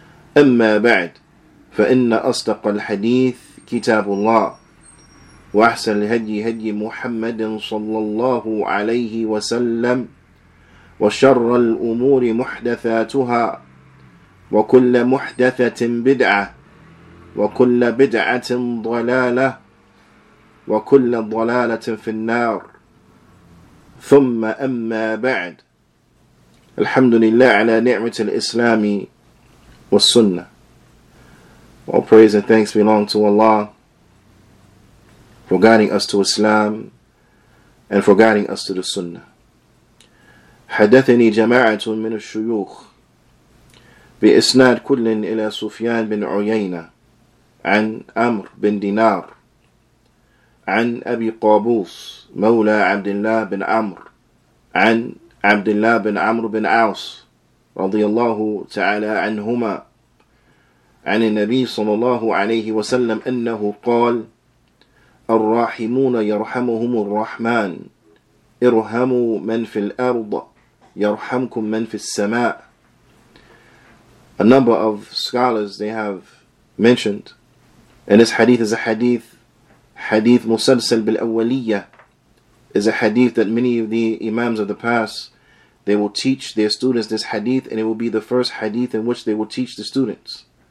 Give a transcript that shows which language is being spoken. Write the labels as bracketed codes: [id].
[ar] أما بعد فإن أصدق الحديث كتاب الله وأحسن الهدي هدي محمد صلى الله عليه وسلم وشر الأمور محدثاتها وكل محدثة بدعة وكل بدعة ضلالة وكل ضلالة في النار ثم أما بعد الحمد لله على نعمة الإسلام والسنة. [en] All praise and thanks belong to Allah for guiding us to Islam and for guiding us to the Sunnah. [ar] حدثني جماعة من الشيوخ بإسناد كل إلى سفيان بن عيينة عن أمر بن دينار عن أبي قابوس مولى عبد الله بن عمر عن عبد الله بن عمر بن عاص رضي الله تعالى عنهما عن النبي صلى الله عليه وسلم أنه قال الراحمون يرحمهم الرحمن ارحموا من في الأرض يرحمكم من في السماء. [en] A number of scholars they have mentioned, and this hadith is a hadith, [ar] hadith musalsal bil-awwaliyya, [en] is a hadith that many of the imams of the past, they will teach their students this hadith, and it will be the first hadith in which they will teach the students.